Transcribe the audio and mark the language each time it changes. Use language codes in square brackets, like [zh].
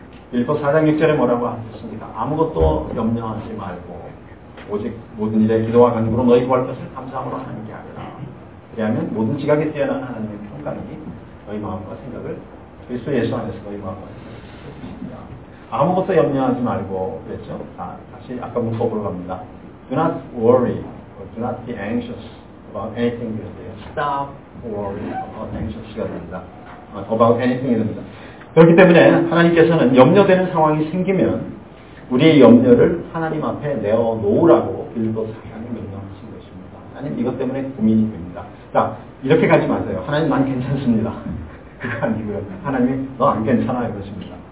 [ko] 빌립보 4장 6절에 뭐라고 하셨습니까? 아무것도 염려하지 말고 오직 모든 일에 기도와 간구로 너희 구할 것을 감사함으로 하는 게 아니라 그리하면 모든 지각에 뛰어난 하나님의 평강이 너희 마음과 생각을 그리스도 예수 안에서 너희 마음과 생각을 지켜주십니다. 아무것도 염려하지 말고 그랬죠? 자, 다시 아까 문법으로 갑니다. [en] Do not worry or do not be anxious about anything you do. Stop worrying about anxious [ko] 가 됩니다. [en] About anything [ko] 이 됩니다. 그렇기 때문에 하나님께서는 염려되는 상황이 생기면 우리의 염려를 하나님 앞에 내어놓으라고 빌립보 4장에 명령하신 것입니다. 하나님 이것 때문에 고민이 됩니다. 자, 이렇게 가지 마세요. 하나님 난 괜찮습니다. 그거 아니고요. 하나님이 너 안 괜찮아 이러십니다.